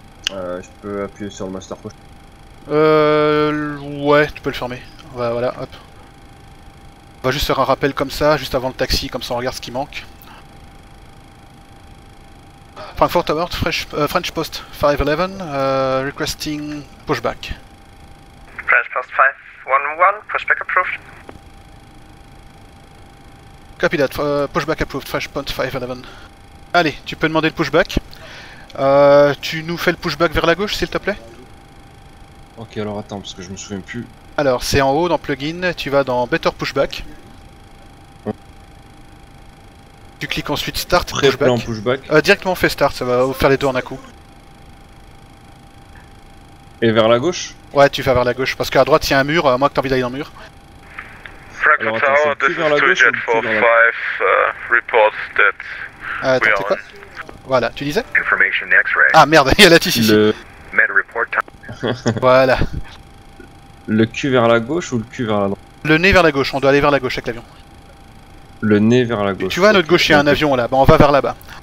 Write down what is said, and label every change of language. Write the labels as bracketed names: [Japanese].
[French] Je peux appuyer sur le master push. Ouais, tu peux le fermer. Voilà, hop. On va juste faire un rappel comme ça, juste avant le taxi, comme ça on regarde ce qui manque. [English] Frankfurt Tower, French Post 511, requesting pushback. French Post 511, pushback approved. Copy that, pushback approved, French Post 511. [French] Allez, tu peux demander le pushback. Tu nous fais le pushback vers la gauche, s'il te plaît. Ok, alors attends, parce que je me souviens plus. Alors, c'est en haut, dans plugin, tu vas dans Better Pushback. Tu cliques ensuite Start, pré-plan pushback. Directement fait Start, ça va faire les deux en un coup. Et vers la gauche? Ouais, tu vas vers la gauche, parce qu'à droite il y a un mur, moi que t'as envie d'aller dans le mur. [English] Frankfurt Tower, this is 2Jet 45, report that [French] attends, t'es quoi? Voilà, tu disais? [English] Information X-ray. [French] Ah merde, il y a la tige ici. Le... [English] Met report time. [French] Voilà. Le cul vers la gauche ou le cul vers la droite? Le nez vers la gauche, on doit aller vers la gauche avec l'avion. Le nez vers la gauche. Tu vois à notre gauche, il y a un avion là, bon, on va vers là-bas.